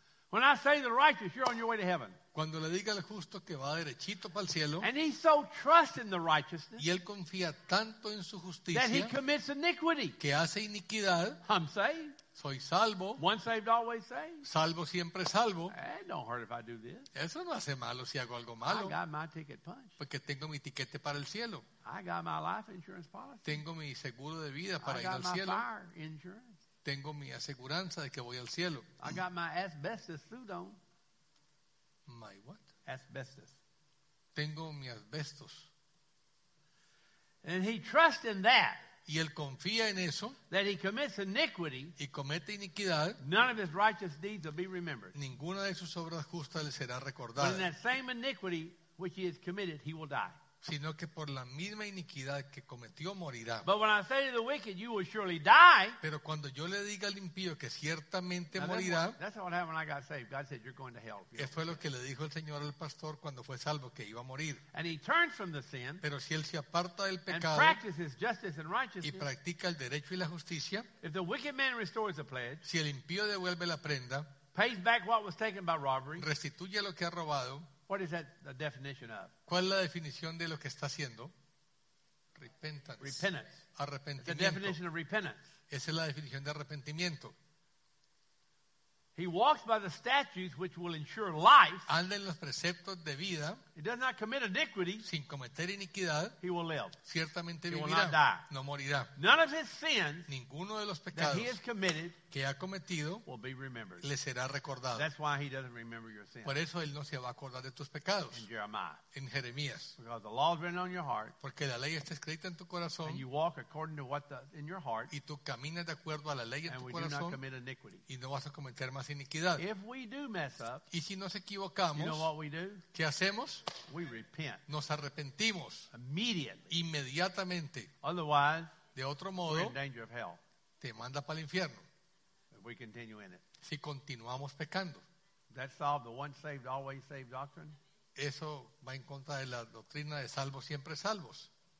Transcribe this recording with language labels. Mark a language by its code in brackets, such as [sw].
[en] When I say the righteous, you're on your way to heaven. [es] Cuando le diga al justo que va derechito para el cielo. [en] And he so trusts in the righteousness. [es] Y él confía tanto en su justicia. [en] That he commits iniquity. [es] Que hace iniquidad. [en] I'm saved. [es] Soy salvo. [en] Once saved, always saved. [es] Salvo siempre salvo. [en] It don't hurt if I do this. [es] Eso no hace malo si hago algo malo. [en] I got my ticket punch. [es] Porque tengo mi tiquete para el cielo. [en] I got my life insurance policy. [es] Tengo mi seguro de vida para [en] I got [es] ir al cielo. [en] My fire insurance. [es] Tengo mi aseguranza de que voy al cielo. [en] I got my asbestos suit on. My what? Asbestos. [es] Tengo mi asbestos. [en] And he trusts in that. [es] Y él confía en eso. [en] That he commits iniquity. [es] Y comete iniquidad. [en] None of his righteous deeds will be remembered. [es] Ninguna de sus obras justas le será recordada. [en] But in that same iniquity which he has committed, he will die. [es] Sino que por la misma iniquidad que cometió morirá. [en] But when I say to the wicked, you will surely die. [es] Pero cuando yo le diga al impío que ciertamente morirá. [en] That's what happened when I got saved. God said, you're going to hell. [es] Eso fue lo que le dijo el Señor al pastor cuando fue salvo, que iba a morir. [en] And he turns from the sin. [es] Pero si él se aparta del pecado. [en] And practices justice and righteousness. [es] Y practica el derecho y la justicia. [en] If the wicked man restores the pledge. [es] Si el impío devuelve la prenda. [en] Pays back what was taken by robbery. [es] Restituye lo que ha robado. [en] What is that the definition of? [es] ¿Cuál es la definición de lo que está haciendo? [en] Repentance. Repentance. [es] Arrepentimiento. [en] It's the definition of repentance. [es] Esa es la definición de arrepentimiento. [en] He walks by the statutes which will ensure life. [es] Anda en los preceptos de vida. [en] He does not commit iniquity. [es] Sin cometer iniquidad. [en] He will live. [es] Ciertamente [en] he [es] vivirá. [en] He will not die. [es] No morirá. [en] None of his sins. [es] Ninguno de los pecados. [en] That he has committed. [es] Que ha cometido. [en] Will be remembered. [es] Le será recordado. [en] That's why he doesn't remember your sins. [es] Por eso él no se va a acordar de tus pecados. [en] In Jeremiah. [es] En Jeremías. [en] Because the law is written on your heart. [es] Porque la ley está escrita en tu corazón. [en] And you walk according to what the in your heart. [es] Y tú caminas de acuerdo a la ley en tu corazón. [en] And we do not commit iniquity. [es] Y no vas a cometer más iniquidad. [en] If we do mess up. [es] Y si nos equivocamos. [en] You know what we do? [es] ¿Qué hacemos? [en] We repent. [es] Nos arrepentimos. [en] Immediately. [es] Inmediatamente. [en] Otherwise, [es] de otro modo, [en] we're in danger of hell. [es] Te manda para el infierno. [en] If we continue in it. [es] Si continuamos pecando. [en] That solved the once saved, always saved doctrine. [es] Eso va en contra de la doctrina de salvos siempre salvos.